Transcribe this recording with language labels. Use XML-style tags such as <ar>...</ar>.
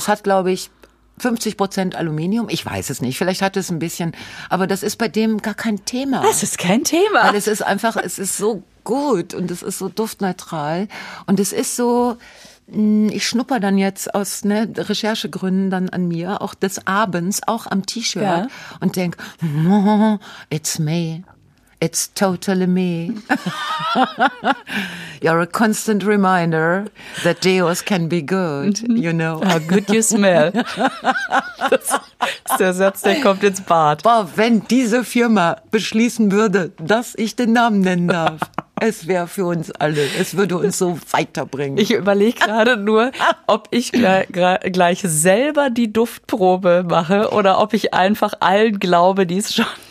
<de>Ja, und das hat, glaube ich, 50% Aluminium. Ich weiß es nicht. Vielleicht hat es ein bisschen... Aber das ist bei dem gar kein Thema. Das ist kein Thema. Weil es ist einfach, es ist so gut und es ist so duftneutral und es ist so... Ich schnupper dann jetzt aus ne, Recherchegründen dann an mir, auch des Abends, auch am T-Shirt ja. Und denk,</de> <en>it's me, it's totally me. You're a constant reminder that deos can be good, you know. How good you smell.</en> <de>Das ist der Satz, der kommt ins Bad. Boah, wenn diese Firma beschließen würde, dass ich den Namen nennen darf. Es wäre für uns alle, es würde uns so weiterbringen. Ich überlege gerade nur, ob ich gleich selber die Duftprobe mache oder ob ich einfach allen glaube, die es schon.</de>